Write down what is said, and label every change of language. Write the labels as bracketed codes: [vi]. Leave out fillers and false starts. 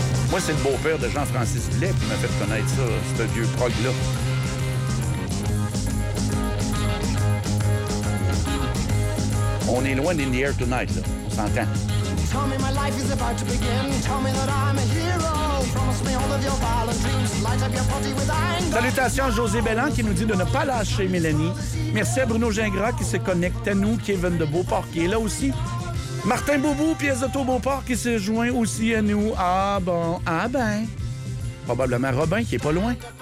[fr] Moi, c'est le beau-père de Jean-Francis Blais qui m'a fait connaître ça, ce vieux prog-là. On est loin d'In the Air Tonight, là. On s'entend. [en] Tell me my life is about to begin. Tell me that I'm a hero. Promise me all of your violent dreams. Light up your party with anger. [fr] Salutations à José Bellan qui nous dit de ne pas lâcher Mélanie. Merci à Bruno Gingras qui se connecte à nous, Kevin de Beauport qui est là aussi. Martin Boubou, pièce d'auto Beauport, qui s'est joint aussi à nous. Ah bon, ah ben. Probablement Robin, qui est pas loin.